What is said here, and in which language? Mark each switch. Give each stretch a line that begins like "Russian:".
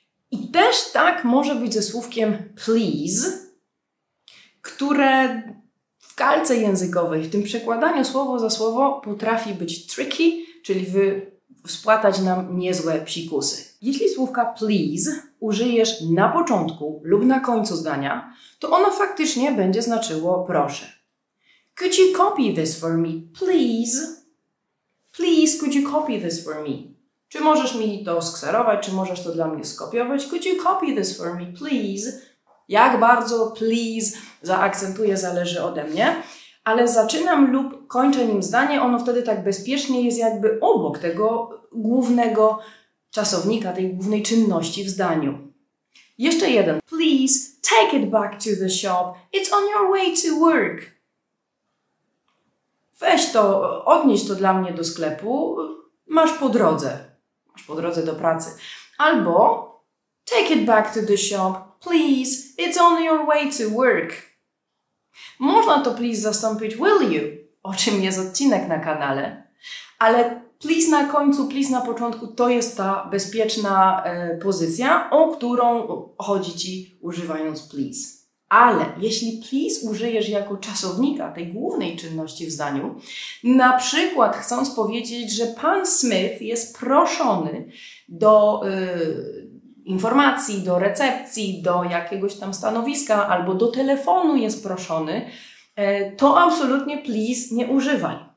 Polish: I też tak może być ze słówkiem please, które w kalce językowej, w tym przekładaniu słowo za słowo potrafi być tricky, czyli spłatać nam niezłe psikusy. Jeśli słówka please użyjesz na początku lub na końcu zdania, to ono faktycznie będzie znaczyło proszę.
English: Could you copy this for me, please? Please, could you copy this for me?
Polish: Czy możesz mi to skserować, czy możesz to dla mnie skopiować?
English: Could you copy this for me, please?
Polish: Jak bardzo please zaakcentuję, zależy ode mnie. Ale zaczynam lub kończę nim zdanie, ono wtedy tak bezpiecznie jest jakby obok tego głównego czasownika, tej głównej czynności w zdaniu. Jeszcze jeden.
English: Please take it back to the shop. It's on your way to work.
Polish: Weź to, odnieś to dla mnie do sklepu. Masz po drodze. Masz po drodze do pracy. Albo
English: take it back to the shop. Please, it's on your way to work.
Polish: Można to please zastąpić
English: will you,
Polish: o czym jest odcinek na kanale, ale please na końcu, please na początku to jest ta bezpieczna pozycja, o którą chodzi ci używając please. Ale jeśli please użyjesz jako czasownika tej głównej czynności w zdaniu, na przykład chcąc powiedzieć, że pan Smith jest proszony do informacji, do recepcji, do jakiegoś tam stanowiska albo do telefonu jest proszony, to absolutnie please nie używaj.